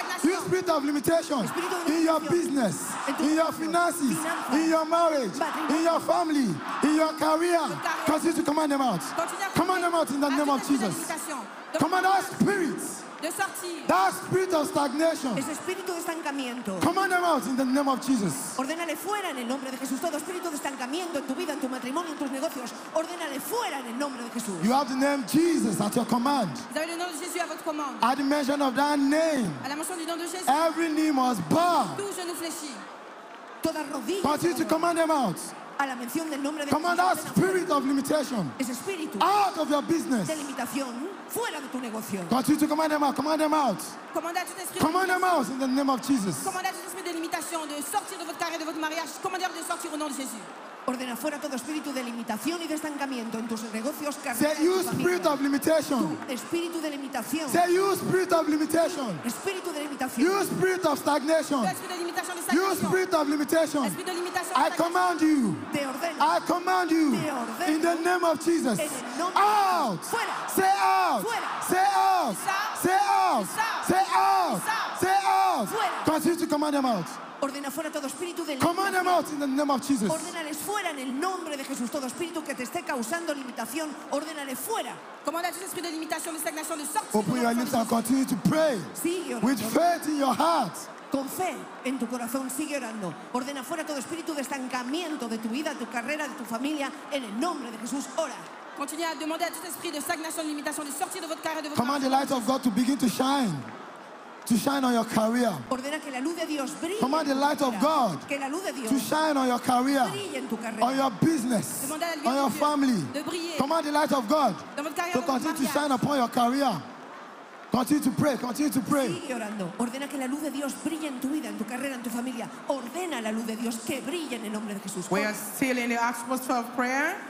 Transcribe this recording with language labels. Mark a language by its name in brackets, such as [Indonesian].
[English] You spirit of limitation. In your business. In your finances. In your marriage. In your family. In your career. Continue to command them out. Command them out in the name of Jesus. Command our spirits. That spirit of stagnation. [Spanish] Ese espíritu de estancamiento. [English] Command them out in the name of Jesus. [Spanish] Ordénale fuera en el nombre de Jesús. Todo espíritu de estancamiento en tu vida, en tu matrimonio, en tus negocios. Ordénale fuera en el nombre de Jesús. [English] You have the name Jesus at your command. [French] Vous avez le nom de Jésus à votre commande. [English] At the mention of that name. [French] À la mention du nom de Jésus. [English] Every knee must bow. [French] Tout genou fléchit. [Spanish] Toda rodilla. [English] Continue to command them out. [Spanish] A la mención del nombre de [English] command Command that spirit of limitation. [Spanish] Ese espíritu. [English] Out of your business. [Spanish] De limitación. Fuera de tu negocio. [English] Continue to command them out. Command them out. Command them out in the name of Jesus. [French] Commandez à tout esprit de limitation de sortir de votre carrière, de votre mariage. Commandez de sortir au nom de Jésus. [Spanish] Ordena fuera todo espíritu de limitación y de estancamiento en tus negocios, carrera. [English] Say you spirit of limitation. [Spanish] Espíritu de limitación. [English] Say you spirit of limitation. [Spanish] Espíritu de limitación. [English] You spirit of stagnation. [Spanish] Espíritu de limitación. Espíritu de limitación. Espíritu [English] of limitation. [Spanish] Espíritu de limitación. [English] I command you. [Spanish] Te ordeno. [English] I command you. [Spanish] Te ordeno. [English] In the name of Jesus. [Spanish] En el nombre. [English] Out. [Spanish] Fuera. [English] Say out. [Spanish] Fuera. [English] Say out. Say out. Say out. Say out. [Spanish] Fuera. [English] Continue to command them out. [Spanish] Ordena fuera todo espíritu de [English] command them out in the name of Jesus. [Spanish] Ordenales fuera en el nombre de Jesús. Todo espíritu que te esté causando limitación, ordenale fuera. [English] Open your lips and continue to pray. With faith in your heart. [Spanish] Con fe en tu corazón, sigue orando. Ordena fuera todo espíritu de estancamiento de tu vida, de tu carrera, de tu familia, en el nombre de Jesús. Ora. [French] Continue a demander à tout esprit de stagnation, de limitation, de sortir de votre carrière, de votre [English] command the light of God to begin to shine. To shine on your career. [Spanish] Ordena que la luz de Dios brille. [English] Command the light of God. [Spanish] Que la luz de Dios [English] to shine on your career. [Spanish] Brille en tu carrera. [English] On your business. [French] Demande à la lumière [English] on your [French] de [English] family. [French] De briller. [English] Command the light of God. [French] Dans votre carrière, [English] to continue to shine upon your career. Continue to pray. Continue to pray. [Spanish] Sigue orando. Ordena que la luz de Dios brille en tu vida, en tu carrera, en tu familia. Ordena la luz de Dios que brille en el nombre de Jesús. [English] We are still in the atmosphere of prayer.